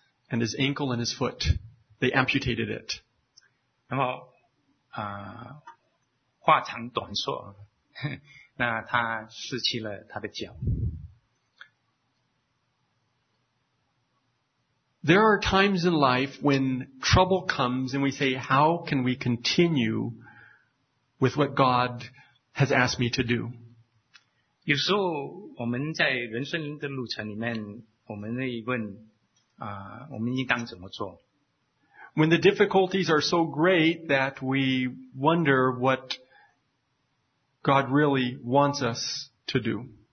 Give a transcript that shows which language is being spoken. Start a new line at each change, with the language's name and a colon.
English: And his ankle and his foot, they amputated it.
Chinese: 然后，话长短说，那他失去了他的脚。
English: There are times in life when trouble comes and we say, how can we continue with what God has asked me to do?
Chinese: 有时候我们在人生的路程里面，我们会问，
English: When the difficulties are so great that we wonder what God really wants us to do.